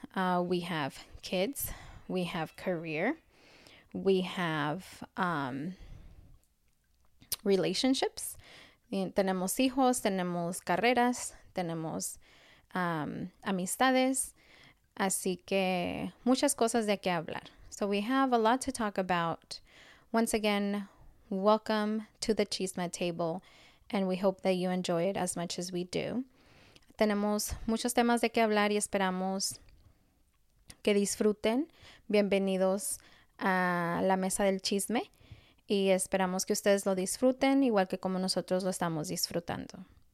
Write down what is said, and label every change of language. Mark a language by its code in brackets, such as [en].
[en] We have kids, we have career, we have relationships. [es] Tenemos hijos, tenemos carreras, tenemos amistades, así que muchas cosas de qué hablar. [en] So we have a lot to talk about. Once again, welcome to the Chisme Table, and we hope that you enjoy it as much as we do. [es] Tenemos muchos temas de qué hablar y esperamos que disfruten. Bienvenidos a la mesa del chisme y esperamos que ustedes lo disfruten igual que como nosotros lo estamos disfrutando.